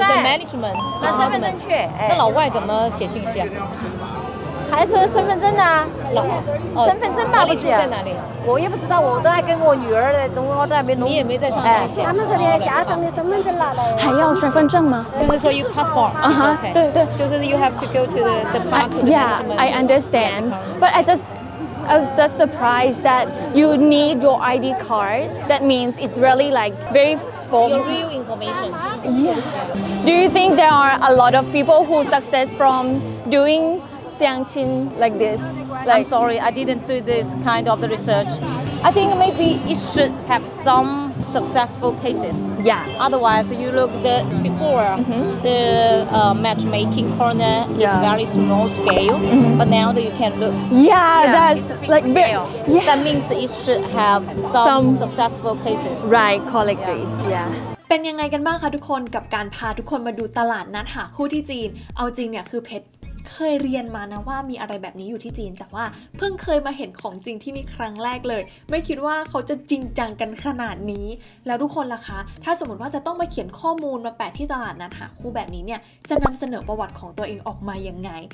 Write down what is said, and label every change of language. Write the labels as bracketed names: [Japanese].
[English] The management。 [Chinese] 拿身份证去。那老外怎么写信息啊？还是身份证呢？老。身份证吧，不是。管理处在哪里？我也不知道，我都还跟我女儿在弄，我都还没弄。你也没在上面写。他们说的家长的身份证拿来。还要身份证吗？就是说 [English] you passport。 [Chinese] 啊哈。对对。就是 [English] you have to go to the park. Yeah, I understand. But I'm just surprised that you need your ID card. That means it's really like very formal. Your real information. Yeah. Do you think there are a lot of people who success from doing? 相亲 like this. Like, I'm sorry, I didn't do this kind of the research. I think maybe it should have some successful cases. Yeah. Otherwise, you look the before the matchmaking corner is very small scale, but now you can look. Yeah, that's like very. Yeah. That means it should have some successful cases. Right, correctly. Yeah. [Thai] เป็นยังไงกันบ้างคะทุกคนกับการพาทุกคนมาดูตลาดนัดหาคู่ที่จีนเอาจริงเนี่ยคือเพชรเคยเรียนมานะว่ามีอะไรแบบนี้อยู่ที่จีนแต่ว่าเพิ่งเคยมาเห็นของจริงที่นี่ครั้งแรกเลยไม่คิดว่าเขาจะจริงจังกันขนาดนี้แล้วทุกคนล่ะคะถ้าสมมติว่าจะต้องมาเขียนข้อมูลมาแปะที่ตลาดนัดหาคู่แบบนี้เนี่ยจะนำเสนอประวัติของตัวเองออกมายังไง